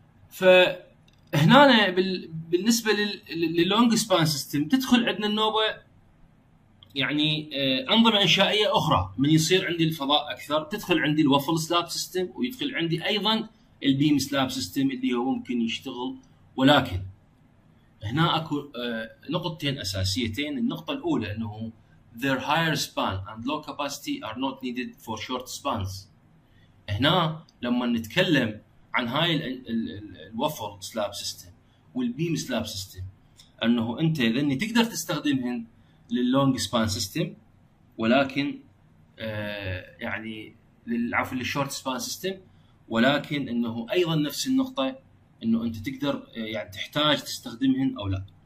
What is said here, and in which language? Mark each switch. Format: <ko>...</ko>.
<ar>فهنا بالنسبه لللونج سبان سيستم تدخل عندنا النوبه يعني أنظمة إنشائية أخرى، من يصير عندي الفضاء أكثر تدخل عندي الوفل سلاب سيستم، ويدخل عندي أيضا البيم سلاب سيستم اللي هو ممكن يشتغل. ولكن هنا أكو نقطتين أساسيتين. النقطة الأولى أنه</ar> <en>their higher span and low capacity are not needed for short spans.</en> <ar>هنا لما نتكلم عن هاي الوفر سلاب سيستم والبيم سلاب سيستم انه انت لاني تقدر تستخدمهن لللونج سبان سيستم ولكن يعني للعفو للشورت سبان سيستم ولكن انه ايضا نفس النقطه انه انت تقدر يعني تحتاج تستخدمهن او لا.</ar>